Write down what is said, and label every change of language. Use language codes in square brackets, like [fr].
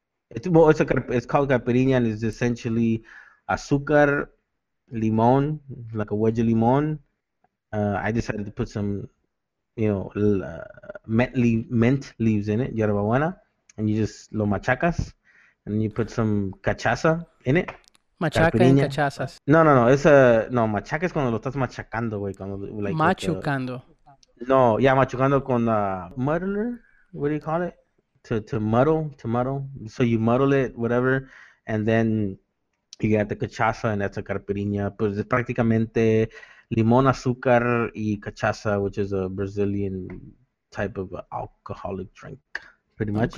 [en] It's called caipirinha, and it's essentially azúcar, limón, like a wedge of limón. I decided to put some, you know, mint leaves in it, yerbabuena. And you just [es] lo machacas, [en] and you put some cachaza in it. Machaca caipirinha. And cachazas. No. It's [es] machaca es cuando lo estás machacando, güey. [en] Like, [es] machucando. [en] Machucando con muddler. What do you call it? To muddle. So you muddle it, whatever. And then you get the cachaza, and that's a caipirinha. But it's practically [es] limón, azúcar, y cachaza, [en] which is a Brazilian type of alcoholic drink, pretty much.